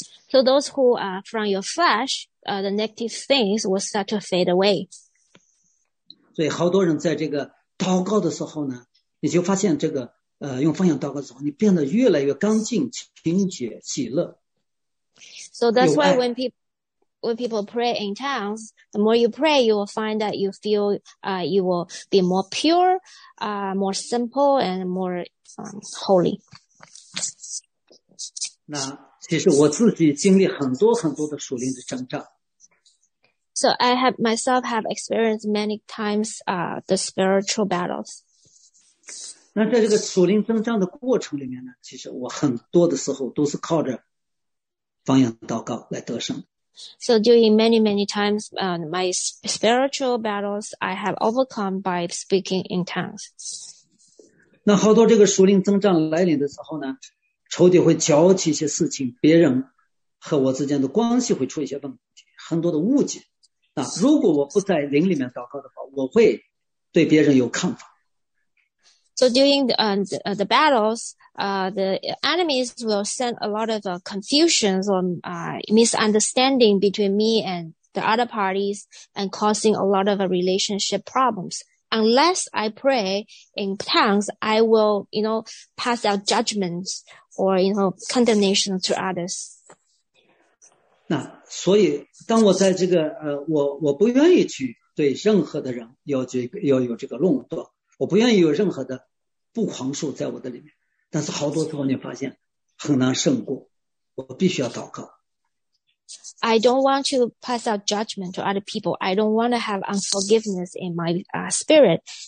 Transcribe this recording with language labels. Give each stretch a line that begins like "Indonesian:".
English: So those who are from your flesh, the negative things will start to fade away.
Chinese: 所以好多人在这个祷告的时候呢，你就发现这个用方言祷告的时候，你变得越来越干净、清洁、喜乐。
English: So that's why when people pray in tongues, the more you pray, you will find that you feel, you will be more pure, more simple, and more, holy.
Chinese: 那其实我自己经历很多很多的属灵的征战。
English: So I have myself have experienced many times, the spiritual battles.
Chinese: 那在这个属灵征战的过程里面呢，其实我很多的时候都是靠着方言祷告来得胜。
English: So during many, many times, my spiritual battles, I have overcome by speaking in tongues.
Chinese: 那好多这个属灵征战来临的时候呢，仇敌会搅起一些事情，别人和我之间的关系会出一些问题，很多的误解。那如果我不在灵里面祷告的话，我会对别人有看法。
English: So during the battles, the enemies will send a lot of confusions or misunderstanding between me and the other parties and causing a lot of relationship problems. Unless I pray in tongues, I will, you know, pass out judgments or, you know, condemnation to others.
Chinese: 那所以当我在这个我不愿意去对任何的人有这个论断，我不愿意有任何的不狂恕在我的里面，但是好多时候你发现很难胜过，我必须要祷告。
English: I don't want to pass out judgment to other people. I don't want to have unforgiveness in my spirit.